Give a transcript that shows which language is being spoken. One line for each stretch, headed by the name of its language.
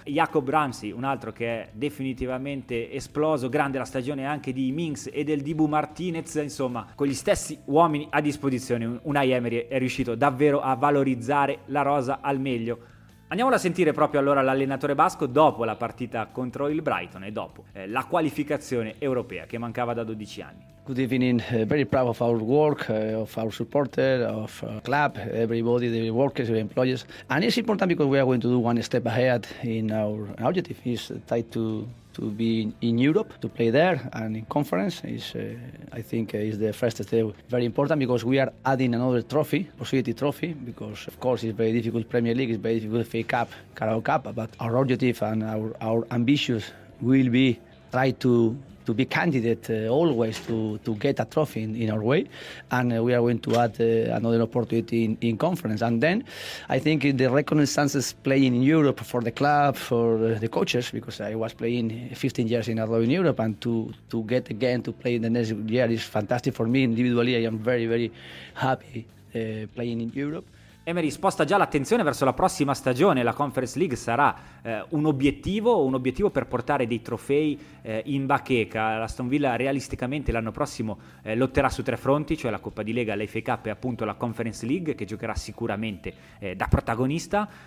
Italian: Jacob Ramsey, un altro che è definitivamente esploso, grande la stagione anche di Minks e del Dibu Martinez, insomma, con gli stessi uomini a disposizione, Unai Emery è riuscito davvero a valorizzare la rosa al meglio. Andiamola a sentire proprio allora l'allenatore basco dopo la partita contro il Brighton e dopo la qualificazione europea che mancava da 12 anni.
English: Good evening. Very proud of our work, of our supporter, of our club, everybody, the workers, the employees. And it's important because we are going to do one step ahead in our objective. It's tied to be in Europe, to play there and in conference. I think is the first step, very important because we are adding another trophy, possibility trophy, because of course it's very difficult Premier League, it's very difficult FA Cup, Carabao Cup, but our objective and our ambitions will be try to be candidate always to get a trophy in our way, and we are going to add another opportunity in conference. And then I think in the reconnaissances playing in Europe for the club, for the coaches, because I was playing 15 years in a row in Europe, and to get again to play in the next year is fantastic for me individually. I am very, very happy playing in Europe.
Italian: Emery sposta già l'attenzione verso la prossima stagione, la Conference League sarà un obiettivo per portare dei trofei in bacheca. L'Aston Villa realisticamente l'anno prossimo lotterà su tre fronti, cioè la Coppa di Lega, l'FA Cup e appunto la Conference League, che giocherà sicuramente da protagonista.